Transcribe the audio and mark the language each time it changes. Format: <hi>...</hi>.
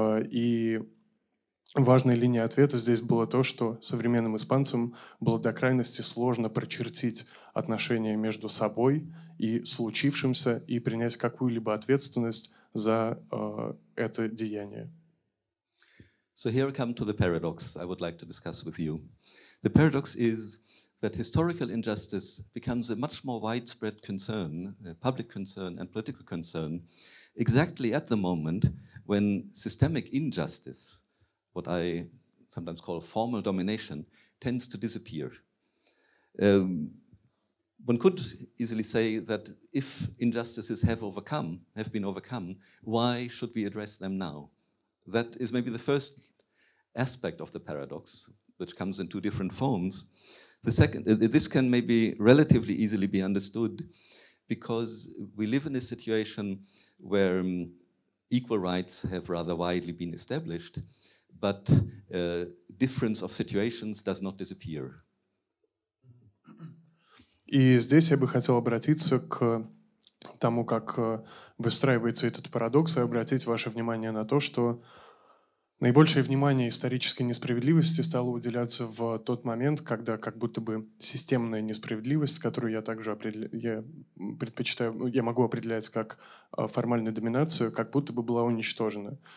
<ru>И важной линией ответа здесь было то, что современным испанцам было до крайности сложно прочертить отношения между собой и случившимся и принять какую-либо ответственность за это деяние.</ru> <en>So here I come to the paradox I would like to discuss with you. The paradox is that historical injustice becomes a much more widespread concern, a public concern and political concern, exactly at the moment when systemic injustice, what I sometimes call formal domination, tends to disappear. one could easily say that if injustices have been overcome, why should we address them now? That is maybe the first aspect of the paradox, which comes in two different forms. The second, this can maybe relatively easily be understood because we live in a situation where equal rights have rather widely been established, but difference of situations does not disappear.</en> <ru>И здесь я бы хотел обратиться к тому, как выстраивается этот парадокс, и обратить ваше внимание на то, что наибольшее внимание исторической несправедливости стало уделяться в тот момент, когда как будто бы системная несправедливость, которую я также могу определять как формальную доминацию, как будто бы была уничтожена.</ru>